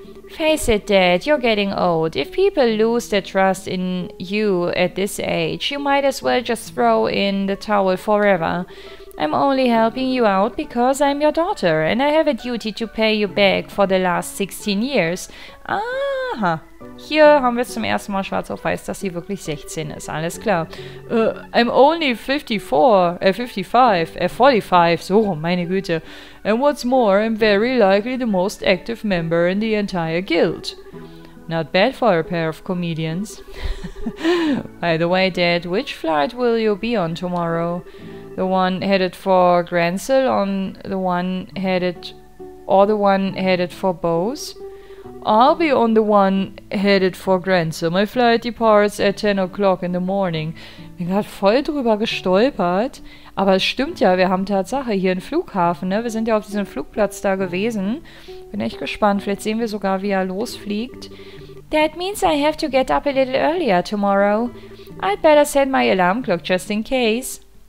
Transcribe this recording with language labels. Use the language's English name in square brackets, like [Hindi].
[English] Face it, Dad, you're getting old. If people lose their trust in you at this age, you might as well just throw in the towel forever. I'm only helping you out because I'm your daughter and I have a duty to pay you back for the last 16 years. Aha. [German] Hier haben wir zum ersten Mal schwarz auf weiß, dass sie wirklich 16 ist. Alles klar. [English] I'm only 45, [German] so rum, meine Güte. [English] And what's more, I'm very likely the most active member in the entire guild. Not bad for a pair of comedians. By the way, Dad, which flight will you be on tomorrow? The one headed for Grenzel on the one headed or the one headed for Bose? I'll be on the one headed for Grenzel. My flight departs at 10 o'clock in the morning. [German] Bin gerade voll drüber gestolpert. Aber es stimmt ja, wir haben Tatsache hier einen Flughafen, ne? Wir sind ja auf diesem Flugplatz da gewesen. Bin echt gespannt. Vielleicht sehen wir sogar, wie er losfliegt. [English] That means I have to get up a little earlier tomorrow. I'd better set my alarm clock just in case.